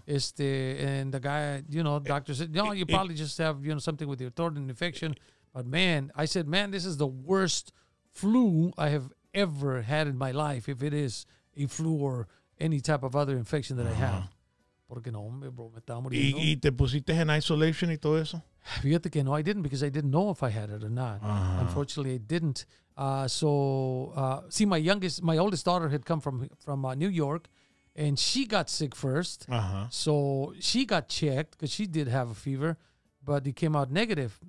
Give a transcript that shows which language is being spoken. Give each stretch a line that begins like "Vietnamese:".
English: And the guy, you know, doctor said, no, you probably just have, you know, something with your throat and infection. But man, I said, man, this is the worst flu I have ever had in my life, if it is a flu or any type of other infection that I have.
Spanish: Porque no, hombre, bro, me estaba muriendo. ¿Y te pusiste en isolation y todo eso? Fíjate que no,
English: I didn't, because I didn't know if I had it or not. Uh-huh. Unfortunately, I didn't. See, my oldest daughter had come from New York, and she got sick first. Uh-huh. So she got checked because she did have a fever, but it came out negative.